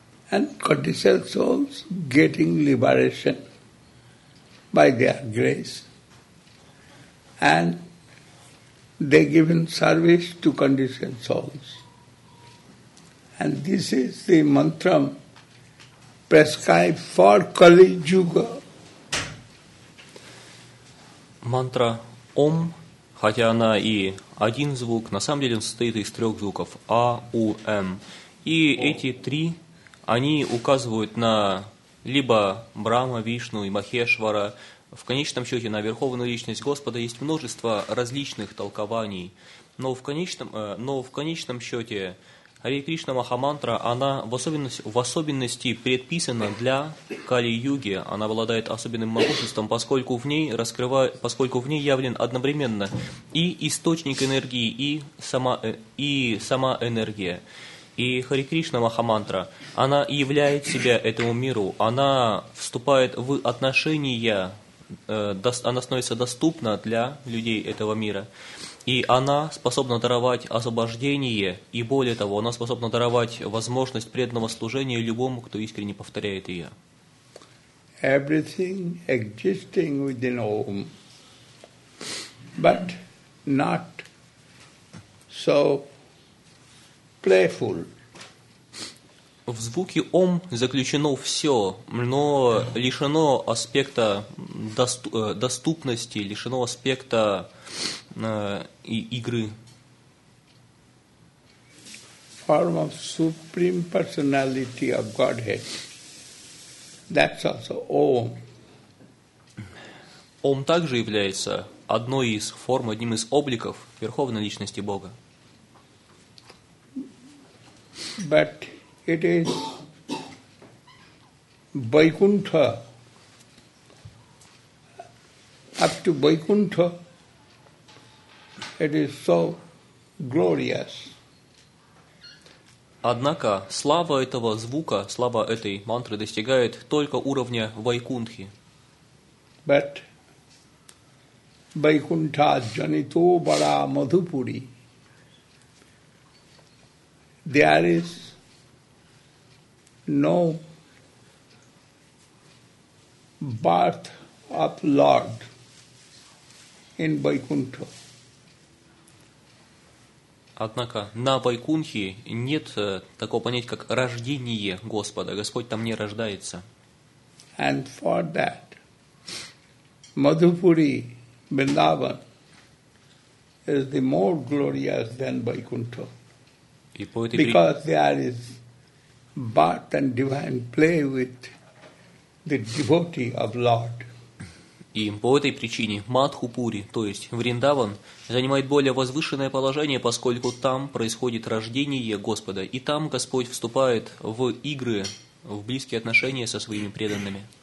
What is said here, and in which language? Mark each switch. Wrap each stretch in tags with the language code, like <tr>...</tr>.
<en>And conditioned souls getting liberation by their grace. And they given service to conditioned souls. And this is the mantra prescribed for Kali Yuga.</en> <ru>Мантра Ом, хотя она и один звук, на самом деле он состоит из трех звуков А, У, М. И эти три, они указывают на либо Брама, Вишну и Махешвара, в конечном счете на Верховную Личность Господа. Есть множество различных толкований, но в конечном счете Харе Кришна Махамантра, она в особенности предписана для Кали-Юги, она обладает особенным могуществом, поскольку в ней явлен одновременно и источник энергии, и сама энергия. И Харе Кришна Махамантра, она являет себя этому миру, она вступает в отношения, она становится доступна для людей этого мира. И она способна даровать освобождение, и более того, она способна даровать возможность преданного служения любому, кто искренне повторяет ее.</ru> <en>Everything existing within Om, but not so playful.</en> <ru>В звуке Ом заключено все, но лишено аспекта доступности, лишено аспекта игры.</ru> <en>Form of Supreme Personality of Godhead. That's also Om.</en> <ru>Ом также является одной из форм, одним из обликов Верховной Личности Бога.</ru> <en>But it is Vaikuntha, up to Vaikuntha, it is so glorious.</en> <ru>Однако слава этого звука, слава этой мантры достигает только уровня Вайкунтхи.</ru> <en>But</en> <sa>Vaikuntha janito bara madhupuri,</sa> <en>there is no birth of Lord in Vaikuntha.</en> <ru>Однако на Вайкунхе нет такого понятия, как рождение Господа. Господь там не рождается.</ru> <en>And for that, Madhupuri, Vrindavan, is the more glorious than Vaikuntha. Because there is birth and divine play with the devotee of Lord.</en> <ru>И по этой причине Мадхупури, то есть Вриндаван, занимает более возвышенное положение, поскольку там происходит рождение Господа, и там Господь вступает в игры, в близкие отношения со своими преданными.</ru>